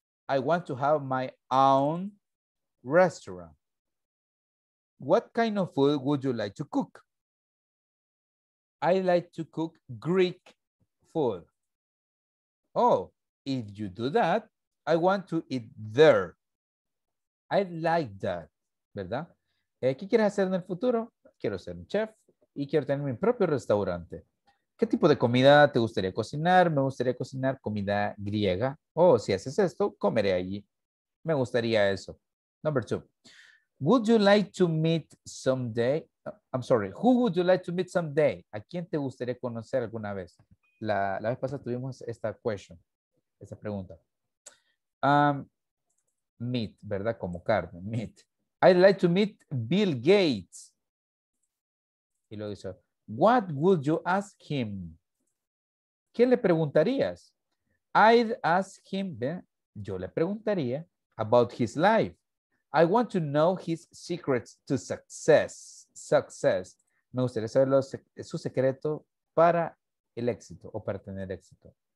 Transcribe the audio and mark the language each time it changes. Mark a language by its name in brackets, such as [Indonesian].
[English] I want to have my own restaurant. What kind of food would you like to cook? I like to cook Greek food. Oh, if you do that, I want to eat there. I like that, [Spanish] ¿verdad? ¿Qué quieres hacer en el futuro? Quiero ser un chef y quiero tener mi propio restaurante. ¿Qué tipo de comida te gustaría cocinar? Me gustaría cocinar comida griega. Oh, si haces esto, comeré allí. Me gustaría eso. [English] Number two. Would you like to meet someday? I'm sorry. Who would you like to meet someday? [Spanish] ¿A quién te gustaría conocer alguna vez? La vez pasada tuvimos esta question, esta pregunta. [English] Meet, ¿verdad? [Spanish] Como carne. [English] Meet. I'd like to meet Bill Gates. [Spanish] Y lo dice. [English] What would you ask him? [Spanish] ¿Qué le preguntarías? [English] I'd ask him, [Spanish] yo le preguntaría [English] about his life. I want to know his secrets to success. Success. [Spanish] Me gustaría saber su secreto para el éxito o para tener éxito.